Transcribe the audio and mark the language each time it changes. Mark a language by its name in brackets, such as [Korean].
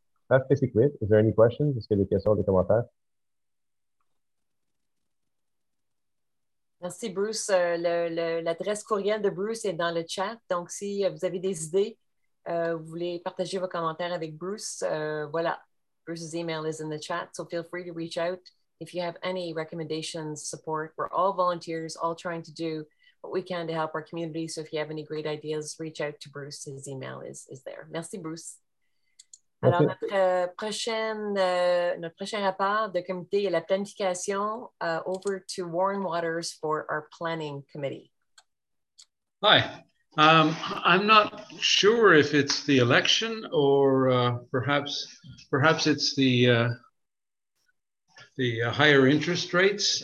[French] That's basically it. Is there any questions? Est-ce qu'il y a des questions ou des commentaires? Merci, Bruce. L'adresse courriel de Bruce est dans le chat. Donc, si vous avez des idées, vous voulez partager vos commentaires avec Bruce, voilà. [English] Bruce's email is in the chat, so feel free to reach out. If you have any recommendations, support, we're all volunteers, all trying to do what we can to help our community. So if you have any great ideas, reach out to Bruce. His email is there. Merci, Bruce. [French] Alors, notre prochain rapport de comité est la planification. [English] Over to Warren Waters for our planning committee. Hi. I'm not sure if it's the election or perhaps it's the higher interest rates.